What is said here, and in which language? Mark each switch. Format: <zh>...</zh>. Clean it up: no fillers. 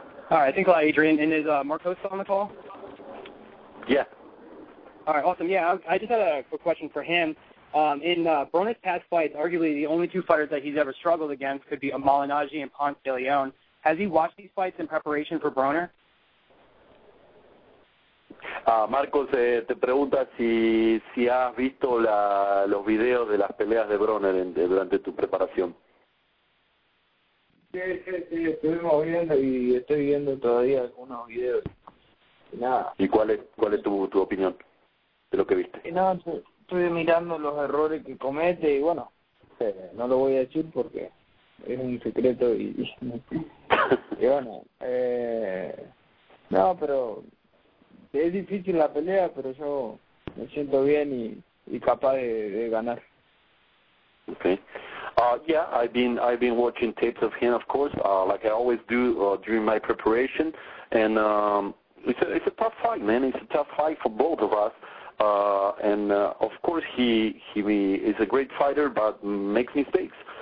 <en>All right, thanks a lot, Adrian. And is Marcos still on the call? Yeah. All right, awesome. Yeah, I just had a quick question for him. In Broner's past fights, arguably the only two fighters that he's ever struggled against could be Malignaggi and Ponce de Leon. Has he watched these fights in preparation for Broner?</en> <es>Marcos, te pregunta si has visto los videos de las peleas de Broner durante tu preparación. Sí, estuvimos viendo y estoy viendo todavía algunos videos. Nada. ¿Y cuál es tu opinión de lo que viste? Y nada, estoy mirando los errores que comete y bueno, no lo voy a decir porque es un secreto y bueno, no, pero es difícil la pelea, pero yo me siento bien y capaz de ganar.</es> <en>Okay. Yeah, I've been watching tapes of him, of course, like I always do during my preparation, and it's a tough fight, man. It's a tough fight for both of us, and of course he is a great fighter, but makes mistakes.</en>